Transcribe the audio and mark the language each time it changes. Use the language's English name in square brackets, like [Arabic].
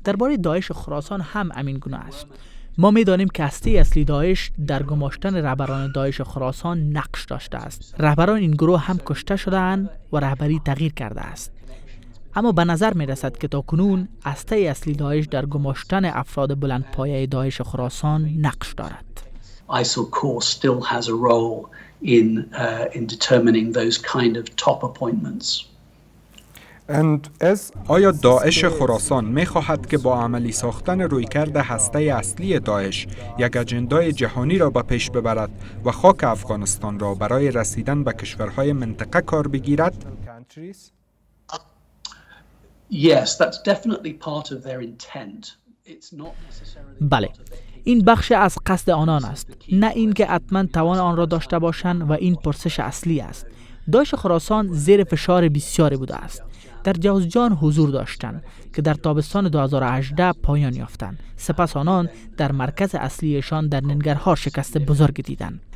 [Persian] درباره داعش خراسان هم همین گونه است. ما می‌دانیم که هسته اصلی داعش در گماشتن رهبران داعش خراسان نقش داشته است. رهبران این گروه هم کشته شده‌اند و رهبری تغییر کرده است. اما به نظر می رسد که تا کنون هسته اصلی داعش در گماشتن افراد بلند پایه داعش خراسان نقش دارد. [English] ISIL core still has a role in determining those kind of top appointments. And as [Persian] آیا داعش خراسان می خواهد که با عملی ساختن رویکرد هسته اصلی داعش یک اجندای جهانی را به پیش ببرد و خاک افغانستان را برای رسیدن به کشورهای منطقه کار بگیرد؟ [English] Yes, that's definitely part of their intent. It's not necessarily. [Persian] بله، این بخشی از قصد آنان است. نه اینکه حتما توان آن را داشته باشند و این پرسش اصلی است. داعش خراسان زیر فشار بسیاری بوده است. در جوزجان حضور داشتند که در تابستان 2018 پایان یافتند. سپس آنان در مرکز اصلیشان در ننگرهار شکست بزرگ دیدند.